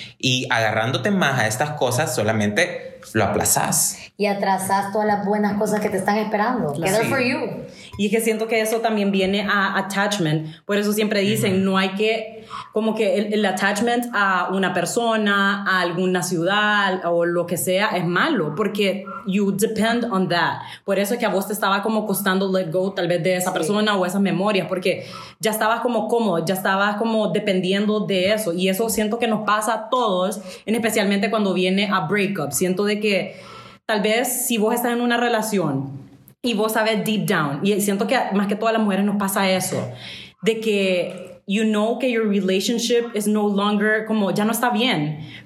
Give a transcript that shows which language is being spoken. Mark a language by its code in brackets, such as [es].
[es] Y agarrándote más a estas cosas, solamente lo aplazas. Y atrasas todas las buenas cosas que te están esperando. [en] Get there for you. [es] Y es que siento que eso también viene a attachment. Por eso siempre dicen, uh-huh, no hay que, como que el attachment a una persona, a alguna ciudad o lo que sea, es malo. Porque [en] you depend on that. [es] Por eso es que a vos te estaba como costando [en] let go [es] tal vez de esa persona o esas memorias. Porque ya estabas como cómodo, ya estabas como dependiendo de eso. Y eso siento que nos pasa a todos, en especialmente cuando viene a breakup. Siento de que tal vez si vos estás en una relación y vos sabes [en] deep down, [es] y siento que más que todas las mujeres nos pasa eso, de que [en] you know [es] que [en] your relationship is no longer, [es] como ya no está bien,